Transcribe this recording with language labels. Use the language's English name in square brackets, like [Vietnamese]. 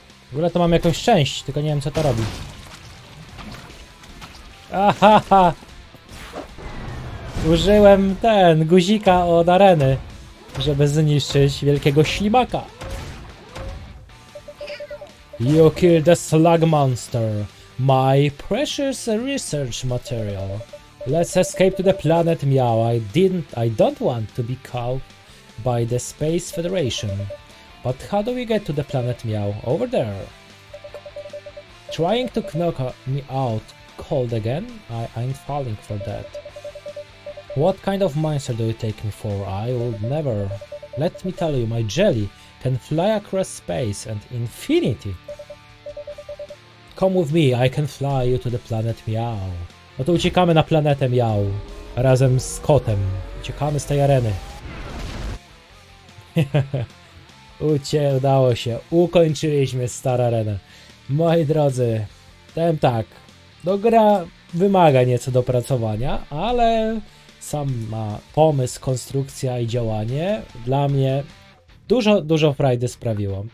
[Polish] W ogóle to mam jakąś część, tylko nie wiem co to robi. Aha! Użyłem ten guzika od areny, żeby zniszczyć wielkiego ślimaka. [English] You killed the slug monster. My precious research material. Let's escape to the planet Miao. I don't want to be caught by the Space Federation. But how do we get to the planet Miao? Over there. Trying to knock me out cold again? I ain't falling for that. What kind of monster do you take me for? I would never. Let me tell you, my jelly can fly across space and infinity. Come with me, I can fly you to the planet Miao. [Polish] No to uciekamy na planetę Miao. Razem z kotem. Uciekamy z tej areny. Udało się. Ukończyliśmy starą arenę. Moi drodzy, powiem tak, no gra wymaga nieco dopracowania, ale sama pomysł, konstrukcja i działanie dla mnie dużo, dużo frajdy sprawiło.